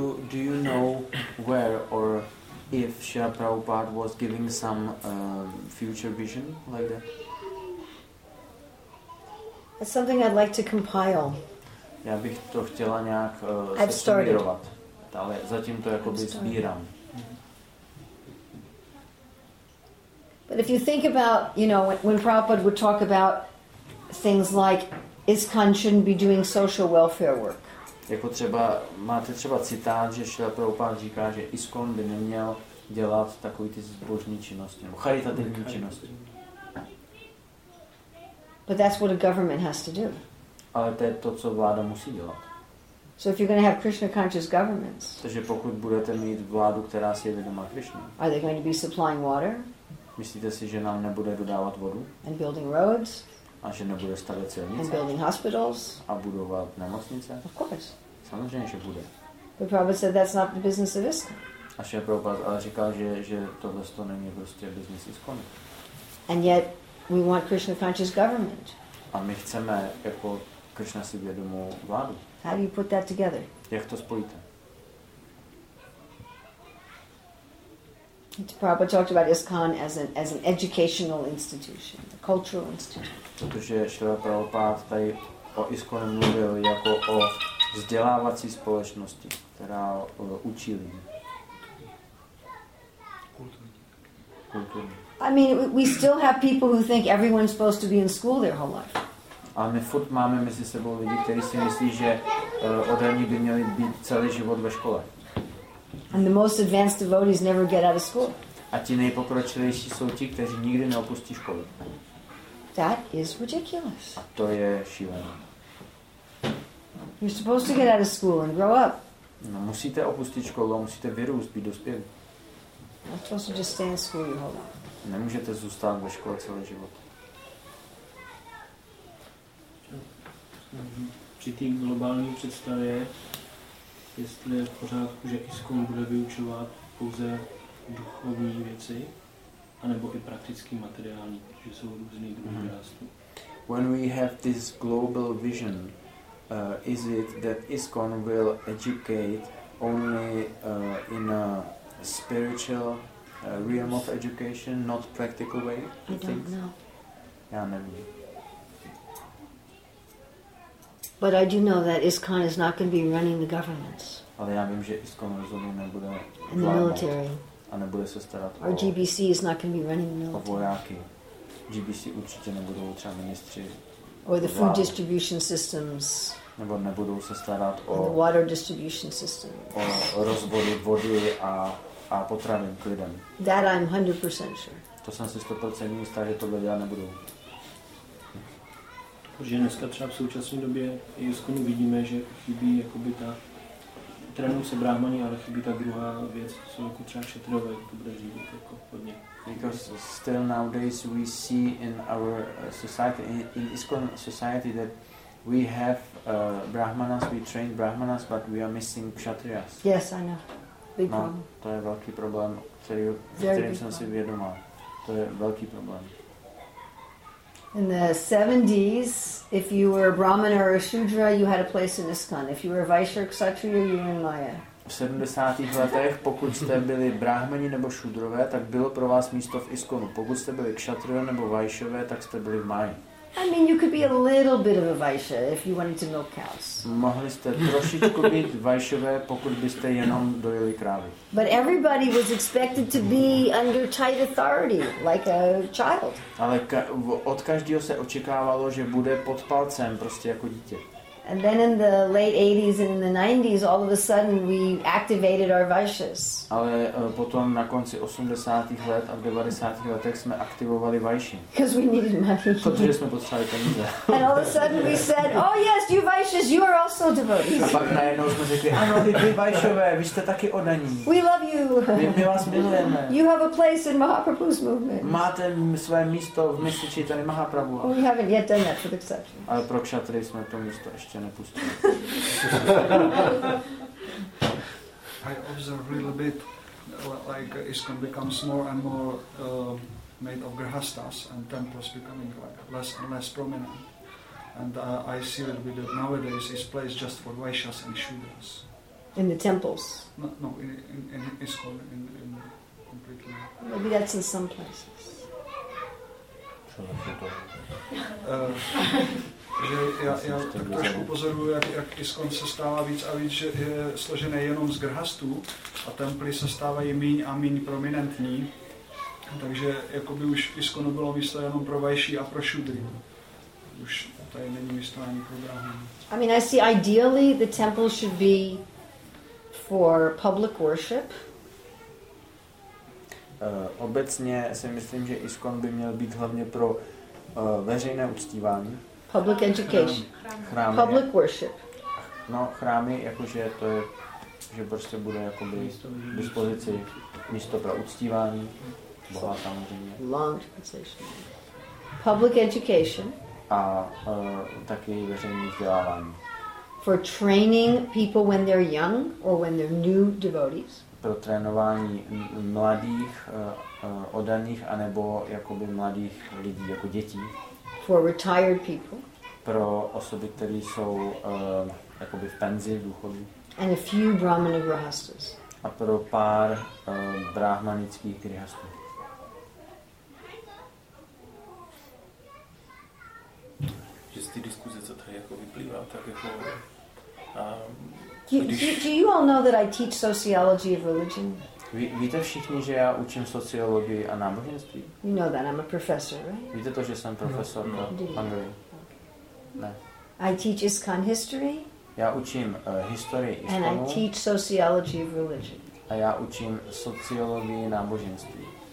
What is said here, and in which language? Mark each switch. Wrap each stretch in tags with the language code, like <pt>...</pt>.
<en>Do you know where or if Srila Prabhupada was giving some future vision like that? That's something I'd like to compile.</en> <cs>Já bych to chtěla nějak sestimulovat. Ale zatím to jakoby sbírám.</cs> <en>But if you think about, you know, when Prabhupada would talk about things like ISKCON shouldn't be doing social welfare work.</en> <cs>Jako třeba, máte třeba citát, že Srila Prabhupada říká, že ISKCON by neměl dělat takový ty zbožní činnosti, nebo charitativní činnosti.</cs> <en>But that's what a government has to do.</en> <cs>Ale to je to, co vláda musí dělat.</cs> <en>So if you're going to have Krishna conscious governments.</en> <cs>Takže pokud budete mít vládu, která si je vědomá Krishna.</cs> <en>Are they going to be supplying water?</en> <cs>Myslíte si, že nám nebude dodávat vodu?</cs> <en>And building roads?</en> <cs>A že nebude stavět silnice?</cs> <en>And building hospitals?</en> <cs>A budovat nemocnice?</cs> <en>Of course.</en> <cs>Samozřejmě, že bude.</cs> <en>But Prabhupada said that's not the business of ISKCON.</en> <cs>A Srila Prabhupada ale říkal, že tohle to není prostě business ISKCON.</cs> <en>And yet we want Krishna conscious government.</en> <cs>A my chceme jako Krishna si vědomou vládu.</cs> <en>How do you put that together?</en> <cs>Jak to spojíte?</cs> <en>Prabhupada talked about ISKCON as an educational institution, a cultural institution.</en> <cs>Protože Srila Prabhupada tady o ISKCON mluvil jako o vzdělávací společnosti, která učí lidi.</cs> <en>I mean, we still have people who think everyone's supposed to be in school their whole life.</en> <cs>Ale my furt máme mezi sebou lidi, kteří si myslí, že od raní by měli být celý život ve škole.</cs> <en>And the most advanced devotees never get out of school.</en> <cs>A ti nejpokročilejší jsou ti, kteří nikdy neopustí školu.</cs> <en>That is ridiculous.</en> <cs>A to je šílené.</cs> <en>You're supposed to get out of school and grow up.</en> <cs>No, musíte opustit školu, musíte vyrůst, být dospělý.</cs> <en>You're supposed to just stay in school your whole life.</en> <cs>Nemůžete zůstat ve škole celý život. Při té globální představě, jestli je v pořádku, že ISKCON bude vyučovat pouze duchovní věci, anebo i praktický materiální, protože jsou různý druhy rástu.</cs> <en>When we have this global vision, is it that ISKCON will educate only in a spiritual realm of education, not practical way? I don't know.</en> <cs>Já nevím.</cs> <en>But I do know that ISKCON is not going to be running the governments.</en> <cs>Ale já vím, že ISKCON rozhodně nebude</cs> <en>and the military.</en> <cs>A nebude se starat</cs> <en>or GBC is not going to be running the military.</en> <cs>O vojáky. GBC určitě nebudou třeba ministři.</cs> <en>Or the food distribution systems.</en> <cs>Nebo nebudou se starat o</cs> <en>the water distribution system.</en> <cs>O rozvody vody a potravin k lidem.</cs> <en>That I'm 100% sure.</en> <cs>To jsem si 100% jistá, že tohle dělat nebudou. Protože dneska třeba v současné době ISKCON vidíme, že chybí jakoby ta trénu se bráhmani, ale chybí ta druhá věc, co jsou jako třeba kšetrové, jak to bude řídit jako hodně.</cs> <en>Because still nowadays we see in our society, in ISKCON society that we have brahmanas, we train brahmanas, but we are missing kshatriyas. Yes, I know. Big problem.</en> <cs>No, to je velký problém, kterým jsem si vědomal. To je velký problém.</cs> <en>In the 70s, if you were a Brahmana or a Shudra, you had a place in ISKCON. If you were a Vaishya Kshatriya, you were in Maya.</en> <cs>V 70. letech, pokud jste byli Brahmani nebo Shudrové, tak bylo pro vás místo v ISKCONu. Pokud jste byli Kshatriya nebo Vaishyové, tak jste byli v Maji.</cs> <en>I mean, you could be a little bit of a Vaishya if you wanted to milk cows.</en> <cs>Mohli jste trošičku být Vaishyové, pokud byste jenom dojeli krávy.</cs> <en>But everybody was expected to be under tight authority, like a child.</en> <cs>Ale od každého se očekávalo, že bude pod palcem, prostě jako dítě.</cs> <en>And then in the late 80s and in the 90s, all of a sudden we activated our Vaishyas.</en> <cs>Ale potom na konci 80. let a v 90. letech jsme aktivovali Vaishyi.</cs> <en>Because we needed money.</en> <cs>Protože jsme potřebovali peníze.</cs> <en>And all of a sudden we said, oh yes, you Vaishyas, you are also devotees.</en> <cs>A pak najednou jsme řekli, ano, vy Vaishyové, vy jste taky oddaní.</cs> <en>We love you.</en> <cs>My vás milujeme.</cs> <en>You have a place in Mahaprabhu's movement.</en> <cs>Máte své místo v mysli Čaitany Mahaprabhu.</cs> <en>We haven't yet done that for the kshatriyas.</en> <cs>Ale pro kshatry jsme to místo ještě nepustili.</cs> <en>I observe a little bit like ISKCON becomes more and more made of grihasthas and temples becoming like less and less prominent. And I see that with nowadays is place just for vaishyas and shudras. In the temples? No, in ISKCON, in completely. Maybe that's in some places.</en> <cs>Že já tak trošku pozoruju, jak ISKCON se stává víc a víc, že je složené jenom z grhastů a temply se stávají míň a míň prominentní. Takže jakoby už ISKCON bylo místo jenom pro vajší a pro šudry. Už tady není místo ani pro bráhmy.</cs> <en>I mean, I see ideally the temple should be for public worship.</en> <cs>Obecně si myslím, že ISKCON by měl být hlavně pro veřejné uctívání.</cs> <en>Public education.</en> <cs>Chrámy.</cs> <en>Public worship.</en> <cs>No, chrámy, jakože to je, že prostě bude jakoby k dispozici místo pro uctívání Boha samozřejmě.</cs> <en>Long translation. Public education.</en> <cs>A taky veřejné vzdělávání.</cs> <en>For training people when they're young or when they're new devotees.</en> <cs>Pro trénování mladých oddaných anebo jakoby mladých lidí jako dětí.</cs> <en>For retired people.</en> <cs>Pro osoby, které jsou jakoby v penzi, v důchodu.</cs> <en>And a few brahmana grihasthas.</en> <cs>A pro pár brahmanických grihasthů. Že z té diskuze, co tady jako vyplývá, tak jako...</cs> <en>Do you all know that I teach sociology of religion?</en> <cs>Víte všichni, že já učím sociologii a náboženství?</cs> <en>You know that I'm a professor, right?</en> <cs>Víte to, že jsem profesor v Hungary? Ne.</cs> <en>I teach ISKCON history.</en> <cs>Já učím historii ISKCONu.</cs> <en>And I teach sociology of religion.</en> <cs>A já učím sociologii náboženství.</cs>